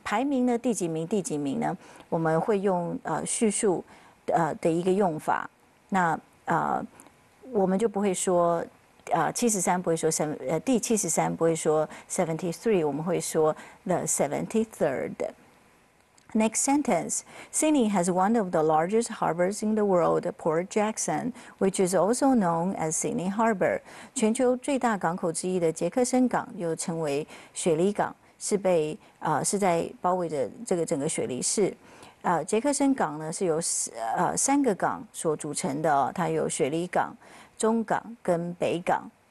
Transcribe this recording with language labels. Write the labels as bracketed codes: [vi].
[zh] 排名呢，第几名呢？我们会用叙述的一个用法。那我们就不会说七十三，不会说第七十三，不会说 73， 我们会说 [en] the 73rd。 Next sentence, Sydney has one of the largest harbors in the world, Port Jackson, which is also known as Sydney Harbor. [zh] 全球最大港口之一的杰克森港又称为雪梨港，是在包围着这个整个雪梨市。杰克森港呢是由三个港所组成的，它有雪梨港、中港跟北港。